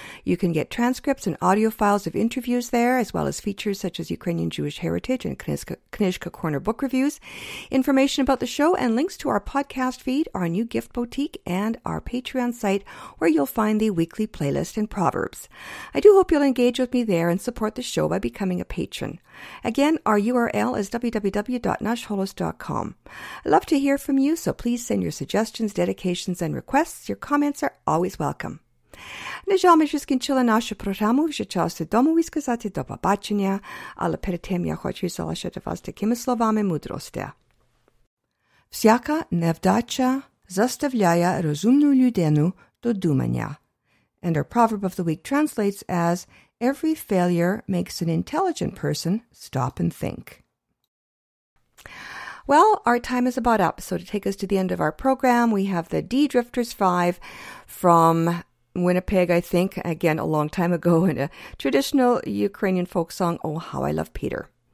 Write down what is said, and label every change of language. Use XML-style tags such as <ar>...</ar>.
<en>You can get transcripts and audio files of interviews there, as well as features such as Ukrainian Jewish Heritage and Knishka Corner book reviews, information about the show, and links to our podcast feed, our new gift boutique, and our Patreon site, where you'll find the weekly playlist and proverbs. I do hope you'll engage with me there and support the show by becoming a patron. Again, our URL is www.nashholos.com. I'd love to hear from you, so please send your suggestions, dedications, and requests. Your comments are always welcome.</en> <uk>Нежал ми ж скінчили нашу програму, вже час дому і сказати до побачення, але перед тим я хочу залишити вас такими словами мудрості. Всяка невдача заставляє розумну людину до думання.</uk> <en>And our proverb of the week translates as, every failure makes an intelligent person stop and think. Well, our time is about up, so to take us to the end of our program, we have the D-Drifters 5 from Winnipeg, I think, again, a long time ago, in a traditional Ukrainian folk song, Oh, How I Love Peter.</en>